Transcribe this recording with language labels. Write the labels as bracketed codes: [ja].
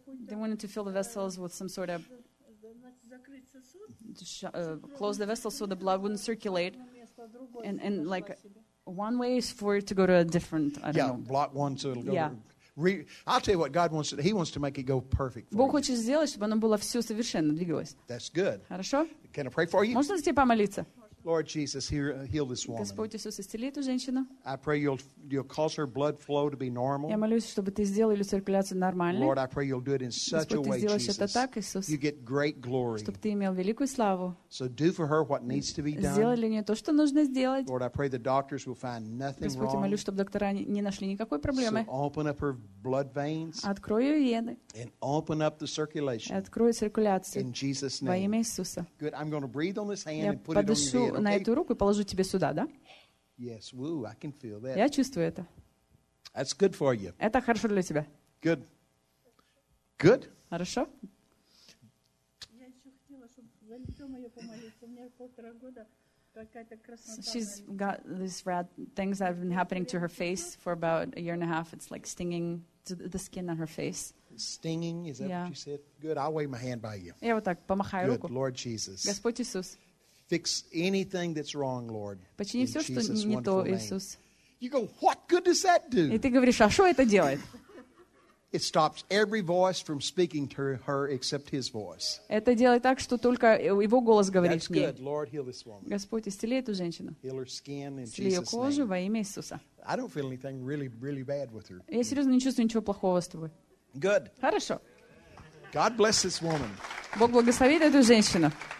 [en] They wanted to fill the vessels with some sort of close the vessels so the blood wouldn't circulate. And like one way is for it to go to a different. I don't yeah, know. Block one so it'll go. Yeah. I'll tell you what God wants to do. He wants to make it go perfect for [ru] Бог [en] you. [ru] Хочет сделать, чтобы оно было все совершенно двигалось. [en] That's good. [ru] Хорошо? [en] Can I pray for you? [ru] Можно за тебя помолиться? [en] Lord Jesus, heal this woman. [ru] Господь Иисус, исцели эту женщину. [en] I pray you'll cause her blood flow to be normal. [ru] Я молюсь, чтобы ты сделал ее циркуляцию нормальной. [en] Lord, I pray you'll do it in such [ru] Господь, [en] a way, Jesus. [ru] Сделаешь это так, Иисус. [en] You get great glory. [ru] Чтобы ты имел великую славу. [en] So do for her what needs to be done. [ru] Сделай для нее то, что нужно сделать. [en] Lord, I pray the doctors will find nothing [ru] Господь, [en] wrong. [ru] Я молюсь, чтобы доктора не нашли никакой проблемы. [en] So open up her blood veins. [ru] Открой ее вены. [en] And open up the circulation. [ru] Открой циркуляцию. [en] In Jesus' name. [ru] Во имя Иисуса. [en] Good. I'm going to breathe on this hand [ru] Я [en] and put it on your [ru] на [en] okay. [ru] эту руку и положу тебе сюда, да? [en] Yes, woo, I can feel that. [ru] Я чувствую это. [en] That's good for you. [ru] Это хорошо для тебя. [en] Good. Good. [ru] Хорошо. Я еще хотела, чтобы за лицо мое помолиться. У меня полтора года какая-то краснота. [en] She's got these red things that have been happening to her face for about a year and a half. It's like stinging to the skin on her face. Stinging, is that what you said? Good. I'll wave my hand by you. [ru] Я вот так помахаю руку. [en] Good, Lord Jesus. [ru] Господь Иисус. [en] Fix anything that's wrong, Lord. [ru] Почини все, что не то, Иисус. [en] You go, what good does that do? [ru] И ты говоришь, а что это делает? [en] It stops every voice from speaking to her except his voice. [ru] Это делает так, что только его голос говорит с ней. [en] That's good, Lord, heal this woman. [ru] Господь, исцели эту женщину. [en] Heal her skin in [ru] Исцели ее кожу во имя Иисуса. [en] I don't feel anything really, really bad with her. [ru] Я серьезно не чувствую ничего плохого с тобой. [en] Good. [ru] Хорошо. [en] God bless this woman. [ru] Бог благословит эту женщину.